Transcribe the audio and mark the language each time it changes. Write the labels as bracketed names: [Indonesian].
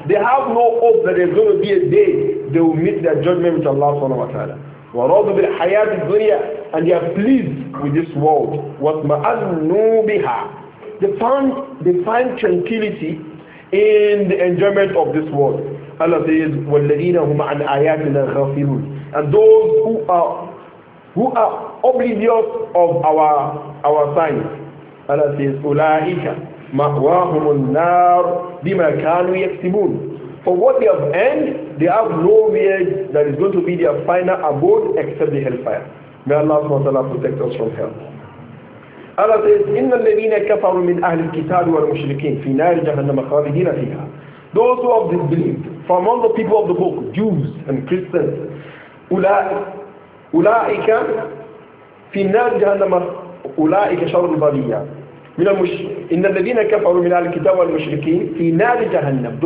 [English] They have no hope that there's going to be a day they will meet their judgment with Allah subhanahu wa ta'ala. [Arabic] وَرَضُوا بِالْحَيَاةِ الدُّنْيَا. [English] And they are pleased with this world. [Arabic] وَاتْمَأَنُّوا بِهَا. [English] They find tranquility in the enjoyment of this world. Allah says, [Arabic] وَالَّذِينَ هُمْ عَنْ آيَاتِنَا غَافِلُونَ. [English] And those who are oblivious of our signs. Allah says, [Arabic] أُولَٰئِكَ مَأْوَاهُمُ النَّارُ بِمَا كَانُوا يَكْسِبُونَ. [English] For what they have earned, they have no way that is going to be their final abode except the hellfire. May Allah subhanahu wa ta'ala protect us from hell. Allah says, [Arabic] إِنَّ الَّذِينَ كَفَرُوا مِنْ أَهْلِ الْكِتَابِ وَالْمُشْرِكِينَ فِي نَارِ جَهَنَّمَ خَالِدِينَ فِيهَا. [English] Those who have disbelieved, from among the people of the book, Jews and Christians, [Arabic] أُولَٰئِكَ فِي نَارِ جَهَنَّمَ أُولَٰئِكَ شَرُّ الْبَرِيَّةِ. إِنَّ الَّذِينَ كَفَرُوا مِنْ أَهْلِ الْكِتَابِ وَالْمُشْرِكِينَ فِي نَارِ جَهَنَّمَ.